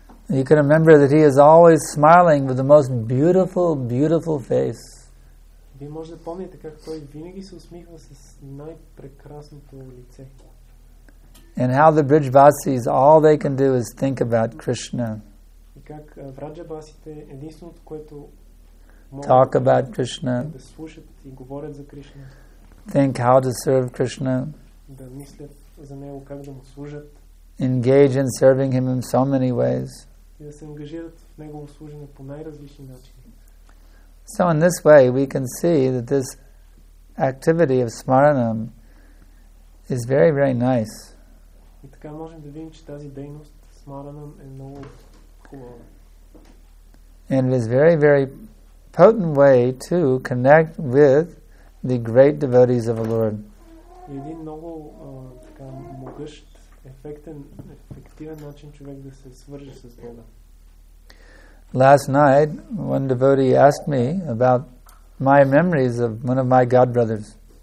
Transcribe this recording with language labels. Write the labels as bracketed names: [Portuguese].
[English] You can remember that He is always smiling with the most beautiful, beautiful face. [Bulgarian] Вие може да помните как той винаги се усмихва с най-прекрасното лице. [English] And how the Brijvasis, all they can do is think about Krishna. [Bulgarian] И как Враджабасите единственото, което [English] talk about Krishna. [Bulgarian] Да слушат и говорят за Кришна. [English] Think how to serve Krishna. [Bulgarian] Да мислят за него как да му служат. [English] Engage in serving him in so many ways. [Bulgarian] И да се ангажират в негово служене по най-различни начини. [English] So in this way, we can see that this activity of smaranam is very, very nice. [Bulgarian] И така можем да видим, че тази дейност смаранам е много хубава. [English] And it is very, very potent way to connect with the great devotees of the Lord. [Bulgarian] И един много така могъщ, ефективен начин човек да се свърже с Бога. [English] Last night, one devotee asked me about my memories of one of my god brothers.